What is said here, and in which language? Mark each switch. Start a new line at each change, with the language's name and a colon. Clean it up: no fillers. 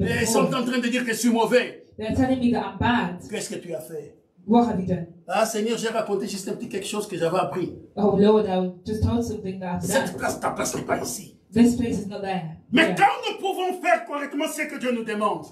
French: Ils sont en train de dire que je suis mauvais.
English: They are telling me that I'm bad.
French: Qu'est-ce que tu as fait?
English: What have you done?
French: Ah Seigneur, j'ai raconté juste un petit quelque chose que j'avais appris.
English: Oh Lord, I just told something that I've done.
French: Ta place n'est pas ici.
English: This place is not there.
French: Mais
English: yeah.
French: Quand nous pouvons faire correctement ce que Dieu nous demande.